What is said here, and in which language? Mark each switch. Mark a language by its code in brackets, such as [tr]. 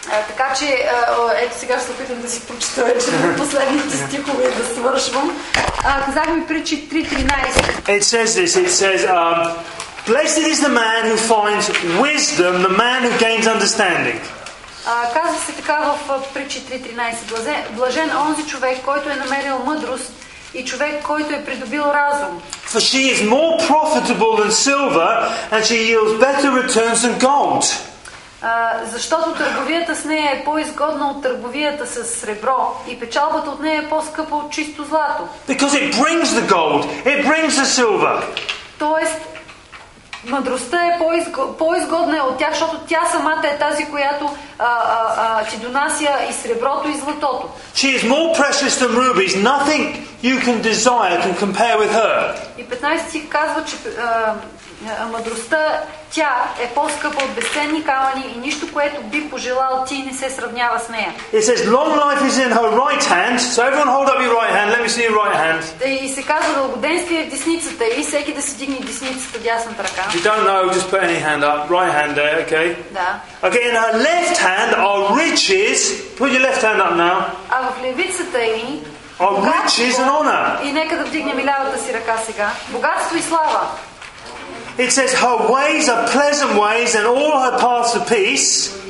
[bg] Така че, ето сега ще се опитам да си прочета вече последните стихове и да свършвам. Казахме притчи 3:13. [en] It says, blessed is the man who finds wisdom, the man who gains understanding. [bg] Казва се така в притчи 3:13. Блажен онзи човек, който е намерил мъдрост и човек, който е придобил разум. [en] For she is more profitable than silver and she yields better returns than gold. [bg] Защото търговията с нея е по-изгодна от търговията с сребро и печалбата от нея е по-скъпа от чисто злато. [en] Because it brings the gold, it brings the silver. [bg] Тоест, мъдростта е по-изгодна от тях, защото тя самата е тази, която ти донася и среброто и златото. [en] She is more precious than rubies. Nothing you can desire can compare with her. [bg] И 15-ти казва, че мъдростта, тя е по-скъпа от безценни камъни и нищо, което би пожелал ти, не се сравнява с нея. [en] It says long life is in her right hand. So everyone hold up your right hand. Let me see your right hand. [bg] И се казва дългоденствие в десницата и всеки да си дигне десницата, дясната ръка. [en] If you don't know, just put any hand up. Right hand there, okay? [bg] Да. [en] Okay, in her left hand are riches. Put your left hand up now. [bg] А в левицата й [en] are riches and honor. [bg] И нека да вдигнем и лявата си ръка сега. Богатство и слава. [en] It says her ways are pleasant ways and all her paths are peace.